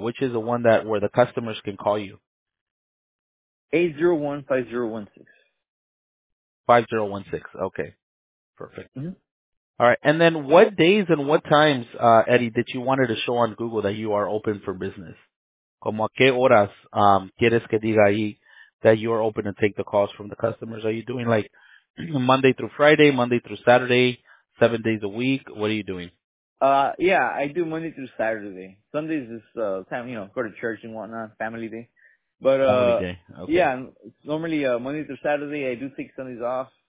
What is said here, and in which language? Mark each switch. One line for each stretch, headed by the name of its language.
English: Which is the one that where the customers can call you? 801-5016. 5016. Okay. Perfect. Mm-hmm. All right. And then what days and what times, Eddie, did you wanted to show on Google that you are open for business?
Spanish: ¿Cómo a qué horas quieres que diga ahí?
English: That you are open to take the calls from the customers. Are you doing like Monday through Friday, Monday through Saturday, 7 days a week? What are you doing? Yeah, I do Monday through Saturday. Sundays is time, you know, go to church and whatnot, family day. But family day. Okay. Yeah, normally Monday through Saturday, I do take Sundays off.